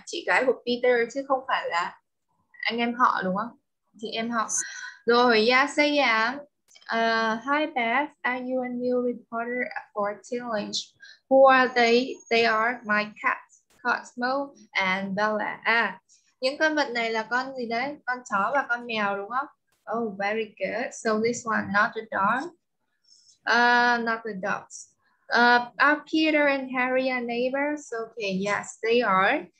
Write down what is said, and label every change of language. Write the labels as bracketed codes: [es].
[vi] Chị gái của Peter chứ không phải là anh em họ đúng không? Chị em họ. Rồi, yeah, [en] say yeah. Hi Beth, are you a new reporter for Challenge? Who are they? They are my cats, Cosmo and Bella. [vi] À, những con vật này là con gì đấy? Con chó và con mèo đúng không? [en] Oh, very good. So this one, not a dog. Not the dogs. Are Peter and Harry a neighbors? Okay, yes, they are.